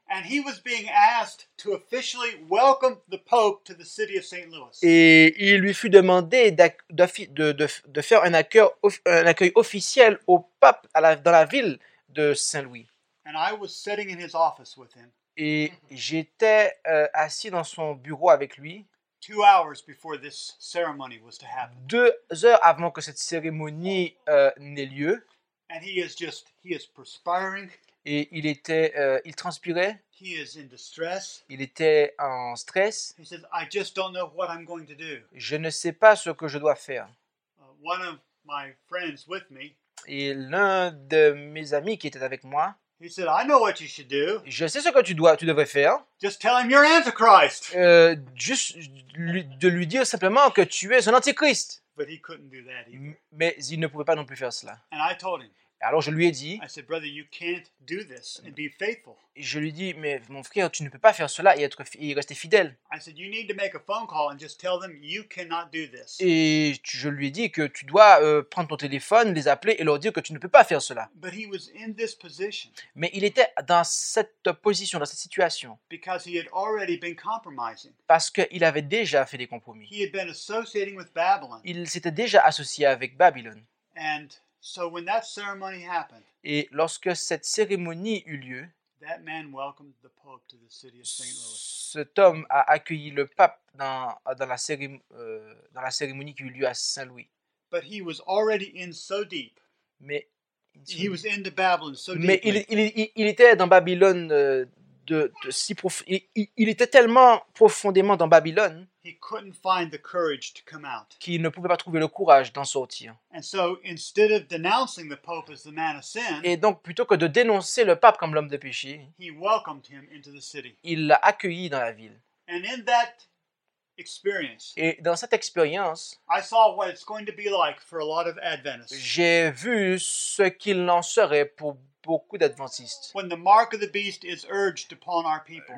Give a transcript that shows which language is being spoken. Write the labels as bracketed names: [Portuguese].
[English] And he was being asked to officially welcome the Pope to the city of St. Louis. [French] Et il lui fut demandé de faire un accueil officiel au pape dans la ville de Saint-Louis. [English] And I was sitting in his office with him. [French] Et j'étais assis dans son bureau avec lui. [English] 2 hours before this ceremony was to happen. [French] 2 heures avant que cette cérémonie n'ait lieu. [English] And he is perspiring. [French] Et il était il transpirait. [English] He is in distress. [French] Il était en stress. [English] He says, I just don't know what I'm going to do. [French] Je ne sais pas ce que je dois faire. [English] One of my friends with me. [French] Et l'un de mes amis qui était avec moi. [English] He said, I know what you should do. [French] Je sais ce que tu devrais faire. [English] Just tell him you're Antichrist. [French] De lui dire simplement que tu es un Antichrist. [English] But he couldn't do that either. [French] Mais il ne pouvait pas non plus faire cela. [English] And I told him. [French] Et alors je lui ai dit, [English] I said, brother, you can't do this and be faithful. [French] Je lui ai dit, mais mon frère, tu ne peux pas faire cela et être et rester fidèle. [English] I said, you need to make a phone call and just tell them you cannot do this. [French] Et je lui ai dit que tu dois prendre ton téléphone, les appeler et leur dire que tu ne peux pas faire cela. [English] But he was in this position. [French] Mais il était dans cette position, dans cette situation. [English] Because he had already been compromising. [French] Parce qu'il avait déjà fait des compromis. [English] He had been associating with Babylon. [French] Il s'était déjà associé avec Babylone. [English] And so when that ceremony happened, [French] et lorsque cette cérémonie eut lieu, [English] that man welcomed the Pope to the city of St. Louis. [French] Cet homme a accueilli le pape dans la cérémonie qui eut lieu à Saint-Louis. [English] But he was already in so deep. [French] Mais [English] he was into Babylon so deep. [French] Mais il était dans Babylone de si profond. Il était tellement profondément dans Babylone. [English] He couldn't find the courage to come out. [French] Qu'il ne pouvait pas trouver le courage d'en sortir. [English] And so, instead of denouncing the Pope as the man of sin, [French] et donc plutôt que de dénoncer le pape comme l'homme de péché, [English] he welcomed him into the city. [French] Il l'a accueilli dans la ville. [English] And in that experience, [French] et dans cette expérience, [English] I saw what it's going to be like for a lot of Adventists. [French] J'ai vu ce qu'il en serait pour beaucoup d'adventistes. [English] When the mark of the beast is urged upon our people.